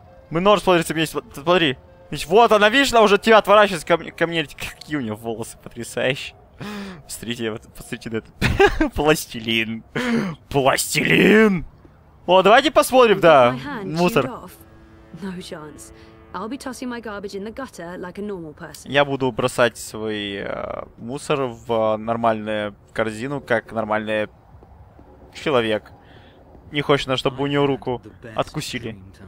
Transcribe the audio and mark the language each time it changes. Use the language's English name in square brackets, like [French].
[Russian] Мы нож смотрится вместе, смотри. Вот она, видишь, она уже тебя отворачивается ко мне. Какие у нее волосы потрясающие. Смотрите, вот, посмотрите на это. Пластилин. Пластилин. О, давайте посмотрим, да, мусор. [English] No chance. I'll be tossing my garbage in the gutter like a normal person. [Russian] Я буду бросать свой мусор в нормальную корзину, как нормальный человек. Не хочешь, на чтобы у него руку откусили.